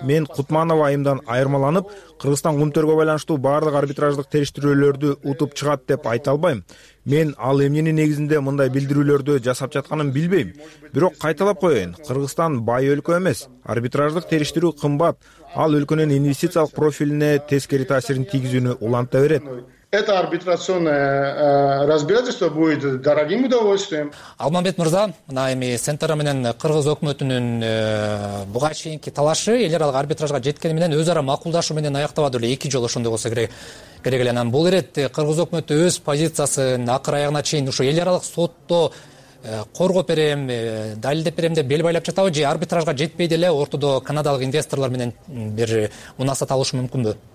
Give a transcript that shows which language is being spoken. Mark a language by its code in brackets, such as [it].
[ky] Мен Кутманова айымдан айырмаланып, Кыргызстан кумтөргө байланыштуу баардык арбитраждык териштирүүлөрдү утуп чыгат деп айта албайм. Мен ал эмненин негизинде мындай билдирүүлөрдү жасап жатканын билбейм. Бирок кайталап коеюн, Кыргызстан бай өлкө эмес. Арбитраждык териштирүү кымбат. Ал өлкөнүн инвестициялык профилине тескери таасирин тийгизүүнү уланта берет. [ru] Это арбитрационное разбирательство будет дорогим удовольствием. [ky] Алмамбет мырза, мына эми Сентер менен кыргыз өкмөтүнүн буга чейинки талашы эл аралык арбитражга жеткени менен өз ара макулдашуу менен аяктабады эле, эки жолу ошондой болсо керек эле. Анан бул ирет кыргыз өкмөтү өз позициясын акыр аягына чейин ушу эл аралык сотто коргоп берем, далилдеп берем деп бел байлап жатабы, же арбитражга жетпей деле ортодо канадалык инвесторлор менен бир мунасат алышы мүмкүнбү?